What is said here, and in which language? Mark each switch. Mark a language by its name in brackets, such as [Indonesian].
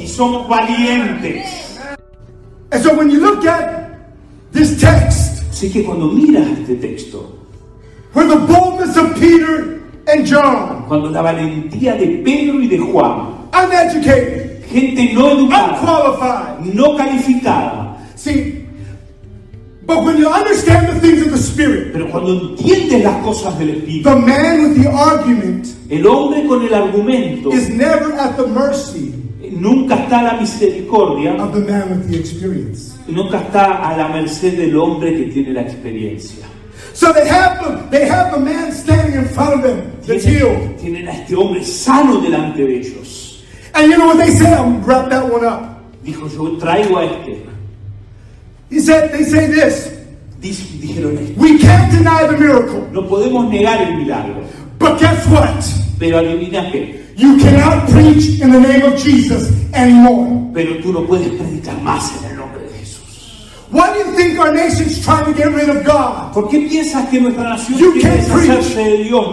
[Spanish] Y somos valientes. [English] And so when you look at this text, [Spanish] así que cuando miras este texto, [English] where the boldness of Peter and John, [Spanish] cuando la valentía de Pedro y de Juan, [English] uneducated, [Spanish] gente no educada, [English] unqualified, [Spanish] no calificada. [English] See, but when you understand the things of the Spirit, [Spanish] pero cuando entiendes las cosas del Espíritu, [English] the man with the argument, [Spanish] el hombre con el argumento, [English] is never at the mercy, [Spanish] nunca está a la misericordia, [English] of the man with the experience, [Spanish] nunca está a la merced del hombre que tiene la experiencia. [English] So they have a man standing in front of them, that's healed. [Spanish] Tienen a este hombre sano delante de ellos. [English] And you know what they said? I'm wrap that one up. [Spanish] Dijo, yo traigo a este. [English] He said, they say this. [Spanish] Dijeron esto. [English] We can't deny the miracle. [Spanish] No podemos negar el milagro. [English] But guess what? [Spanish] Pero adivina qué. [English] You cannot preach in the name of Jesus anymore. [Spanish] Pero tú no puedes predicar más en el nombre de Jesús. [English] Why do you think our nation's trying to get rid of God? [Spanish] ¿Por qué piensas que nuestra nación quiere deshacerse de Dios?